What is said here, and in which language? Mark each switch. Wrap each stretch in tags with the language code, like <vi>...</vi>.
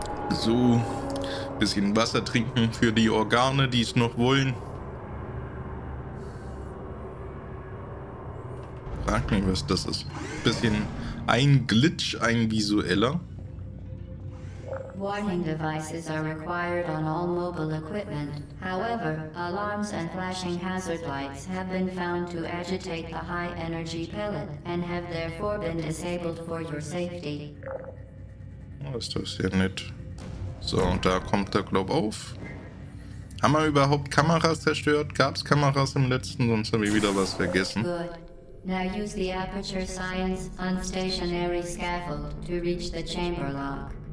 <de>So, bisschen Wasser trinken für die Organe, die es noch wollen. Frag mich, was das ist. Bisschen ein Glitch, ein visueller.</de> <en>Warning devices are required on all mobile equipment. However, alarms and flashing hazard lights have been found to agitate the high energy pellet and have therefore been disabled for your safety.</en> <de>Oh, ist das sehr nett. So, und da kommt der Glob auf. Haben wir überhaupt Kameras zerstört? Gab's Kameras im letzten, sonst habe ich wieder was vergessen.</de> <en>Good. Now use the Aperture Science unstationary scaffold to reach the chamber lock.</en>